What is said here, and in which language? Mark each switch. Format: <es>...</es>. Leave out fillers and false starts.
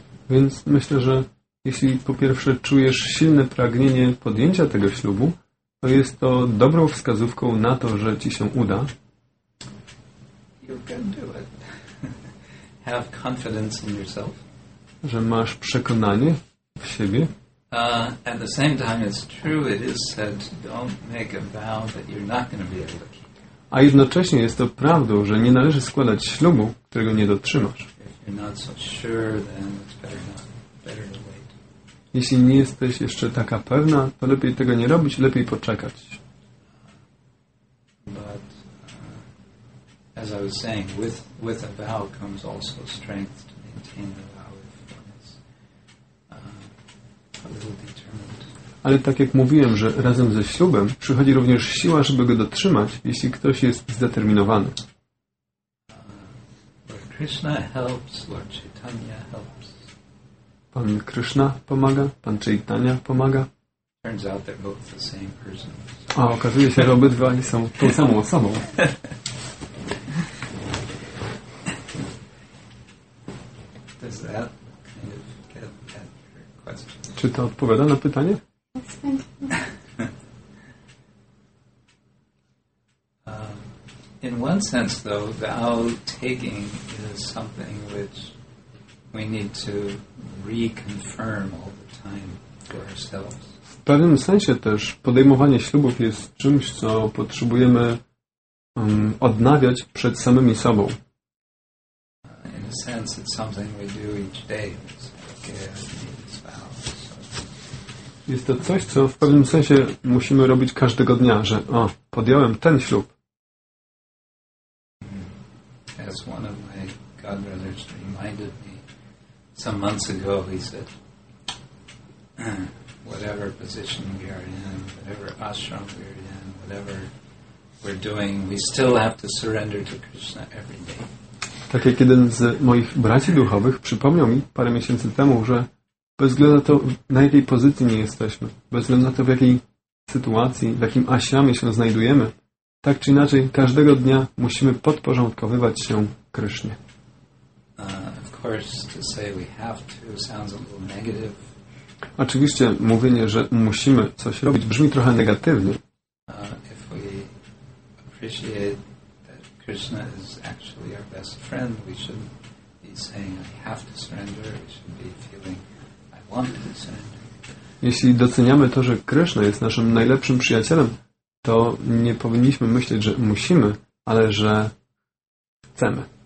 <pl>Więc myślę, że jeśli po pierwsze czujesz silne pragnienie podjęcia tego ślubu, to jest to dobrą wskazówką na to, że ci się uda.</pl> <en>You can do it. Have confidence in yourself.</en> <pl>Że masz przekonanie w siebie.</pl> <en>At the same time it's true, it is said, don't make a vow that you're not going to be able to keep.</en> <pl>A jednocześnie jest to prawdą, że nie należy składać ślubu, którego nie dotrzymasz.</pl> <en>If you're not so sure, then it's better to wait.</en> <pl>Jeśli nie jesteś jeszcze taka pewna, to lepiej tego nie robić, lepiej poczekać.</pl> <en>But as I was saying, with a vow comes also strength to maintain the vow if one is a little determined.</en> <pl>Ale tak jak mówiłem, że razem ze ślubem przychodzi również siła, żeby go dotrzymać, jeśli ktoś jest zdeterminowany.</pl> <en>Lord Krishna helps, Lord Chaitanya helps.</en> <pl>Pan Krishna pomaga, Pan Chaitanya pomaga.</pl> <en>Turns out they're both the same person.</en> <pl>A okazuje się, że obydwa są tą samą osobą.</pl> <en>Does that kind of get at your question?</en> <pl>Czy to odpowiada na pytanie?</pl> <en>In one sense, though, vow taking is something which we need to reconfirm all the time for ourselves.</en> <pl>W pewnym sensie też podejmowanie ślubów jest czymś, co potrzebujemy odnawiać przed samymi sobą.</pl> <en>In a sense, it's something we do each day. It's like, so.</en> <pl>Jest to coś, co w pewnym sensie musimy robić każdego dnia, że o, podjąłem ten ślub.</pl> <en>As one of my god brothers reminded me. Some months ago, he said, whatever position we are in, whatever ashram we are in, whatever we're doing, we still have to surrender to Krishna every day.</en> <pl>Tak jak jeden z moich braci duchowych przypomniał mi parę miesięcy temu, że bez względu na to, na jakiej pozycji nie jesteśmy, bez względu na to, w jakiej sytuacji, w jakim ashramie się znajdujemy, tak czy inaczej, każdego dnia musimy podporządkowywać się Krishnie.</pl> <en>To say we have to sounds a little negative.</en> <pl>Oczywiście mówienie, że musimy coś robić, brzmi trochę negatywnie.</pl> <en>If we appreciate that Krishna is actually our best friend, we shouldn't be saying I have to surrender. We should be feeling I want to surrender.</en> <pl>Jeśli doceniamy to, że Krishna jest naszym najlepszym przyjacielem, to nie powinniśmy myśleć, że musimy, ale że chcemy.</pl>